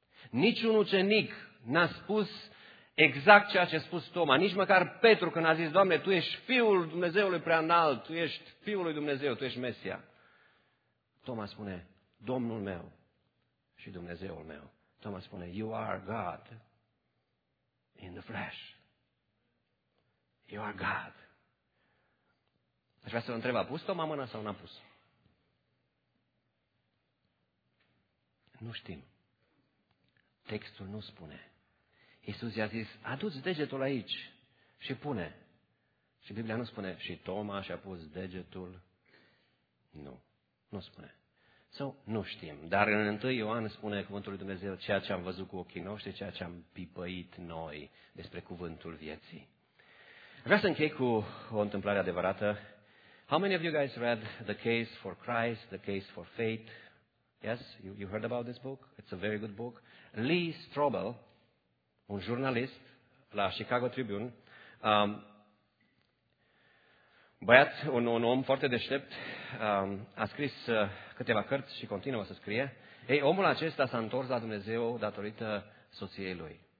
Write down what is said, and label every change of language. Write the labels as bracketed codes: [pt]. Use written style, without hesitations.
[ro] Niciun ucenic n-a spus exact ceea ce a spus Toma. Nici măcar Petru când a zis, Doamne, Tu ești Fiul Dumnezeului preanalt, Tu ești Fiul lui Dumnezeu, Tu ești Mesia. Toma spune, Domnul meu și Dumnezeul meu. Toma spune, [en] You are God in the flesh. You are God. [ro] Aș vrea să vă întreb, a pus Toma mâna sau n-a pus? Nu știm. Textul nu spune. Iisus i-a zis, adu-ți degetul aici și pune. Și Biblia nu spune, și Toma și-a pus degetul. Nu. Nu spune. Sau nu știm. Dar în 1 Ioan spune cuvântul lui Dumnezeu, ceea ce am văzut cu ochii noștri, ceea ce am pipăit noi despre cuvântul vieții. Vreau să închei cu o întâmplare adevărată. [en] How many of you guys read The Case for Christ, The Case for Faith? Yes, you heard about this book? It's a very good book. [ro] Lee Strobel, un jurnalist la Chicago Tribune, băiat, un om foarte deștept, a scris câteva cărți și continuă să scrie. Ei, omul acesta s-a întors la Dumnezeu datorită soției lui.